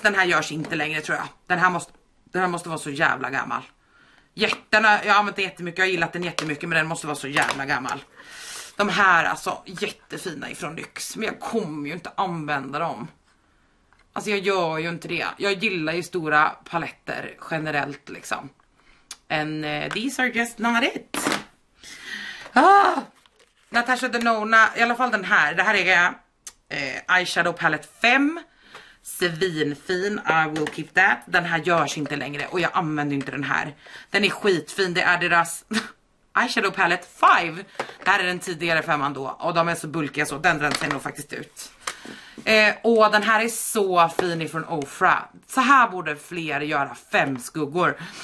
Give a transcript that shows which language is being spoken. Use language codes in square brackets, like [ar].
[sv] Den här görs inte längre tror jag. Den här måste vara så jävla gammal. Jag har använt den jättemycket, jag har gillat den jättemycket, men den måste vara så jävla gammal. De här alltså, jättefina ifrån Lyx, men jag kommer ju inte använda dem. Alltså jag gör ju inte det, jag gillar ju stora paletter generellt liksom. [en] And these are just not it. Ah! [sv] Natasha Denona, i alla fall den här, det här är Eyeshadow Palette 5. svinfin, [en] I will keep that. [sv] Den här görs inte längre och jag använder inte den här. Den är skitfin, det är deras eyeshadow palette 5. Det här är den tidigare femman då. Och de är så bulkiga så, den rensar nog faktiskt ut. Och den här är så fin ifrån Ofra. Så här borde fler göra 5 skuggor.